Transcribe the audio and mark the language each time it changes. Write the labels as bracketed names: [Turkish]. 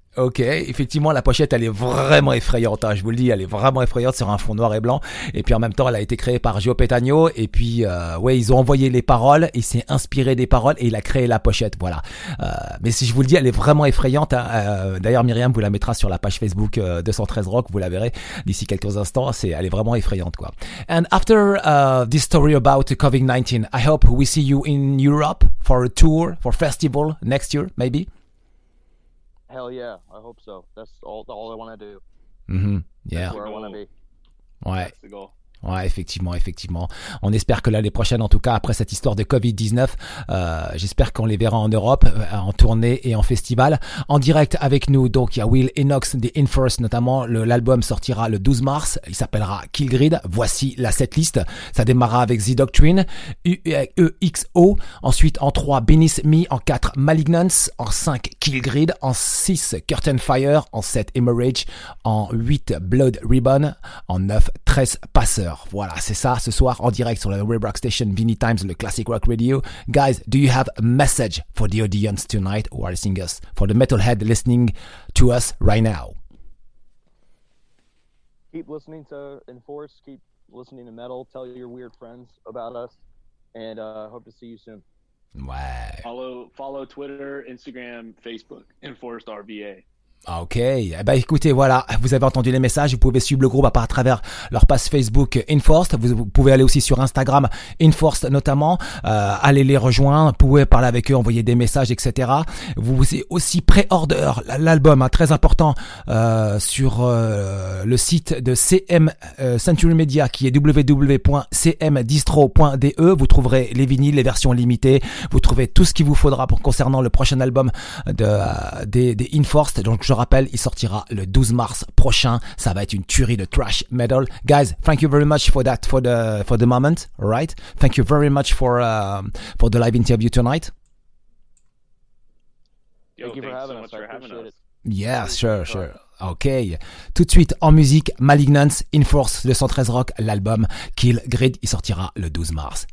[French] Ok, effectivement, la pochette, elle est vraiment effrayante, hein, je vous le dis, elle est vraiment effrayante sur un fond noir et blanc. Et puis en même temps, elle a été créée par Joe Petagno. Et puis, ouais, ils ont envoyé les paroles, il s'est inspiré des paroles et il a créé la pochette, voilà. Mais si je vous le dis, elle est vraiment effrayante, hein. D'ailleurs, Myriam vous la mettra sur la page Facebook 213 Rock, vous la verrez d'ici quelques instants. Elle est vraiment effrayante, quoi. [English] And after this story about COVID-19, I hope we see you in Europe for a tour, for festival next year, maybe. Hell yeah, I hope so. That's all I want to do. Mm-hmm. Yeah. That's where I want to be. [French] Ouais. [English] That's the goal. [French] Ouais, effectivement, effectivement. On espère que l'année prochaine, en tout cas, après cette histoire de Covid-19, j'espère qu'on les verra en Europe, en tournée et en festival. En direct avec nous, donc, il y a Will Enox, The Inforce, notamment. L'album sortira le 12 mars. Il s'appellera Killgrid. Voici la setlist. Ça démarrera avec The Doctrine, UEXO. Ensuite, en 3, Beneath Me. En 4, Malignance. En 5, Killgrid. En 6, Curtain Fire. En 7, Hemorrhage. En 8, Blood Ribbon. En 9, 13, Passer. Voilà, c'est ça ce soir en direct sur la Web Rock Station Vinnie Times, le Classic Rock Radio. [English] Guys, do you have a message for the audience tonight who are listening us, for the metalhead listening to us right now? Keep listening to Enforce, keep listening to metal, tell your weird friends about us, and hope to see you soon. [French] Ouais. [English] Follow Twitter, Instagram, Facebook, Enforce RVA. [French] Ok, eh ben écoutez, voilà, vous avez entendu les messages, vous pouvez suivre le groupe à part à travers leur page Facebook Enforced, vous pouvez aller aussi sur Instagram Enforced notamment, allez les rejoindre, vous pouvez parler avec eux, envoyer des messages, etc. Vous avez aussi pré-order l'album, hein, très important, sur le site de CM Century Media qui est www.cmdistro.de. Vous trouverez les vinyles, les versions limitées, vous trouverez tout ce qu'il vous faudra pour concernant le prochain album de Enforced. Donc je rappelle, il sortira le 12 mars prochain. Ça va être une tuerie de thrash metal. [English] Guys, thank you very much for that, for the moment, right? Thank you very much for the live interview tonight. Thank you for having us. [French] Ok, tout de suite en musique, Malignance, Enforce 213 Rock, l'album Killgrid, il sortira le 12 mars.